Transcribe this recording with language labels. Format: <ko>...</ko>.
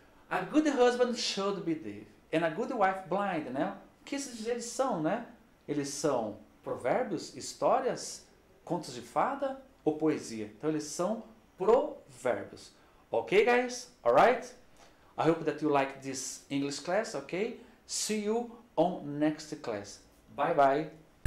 <en>A good husband should be deaf and a good wife blind, né?</en> <pt>O que esses dizeres são, né? Eles são provérbios, histórias, contos de fada ou poesia? Então, eles são provérbios.</pt> <en>Ok, guys? Alright? I hope that you like this English class, ok? See you on next class. Bye-bye.</en>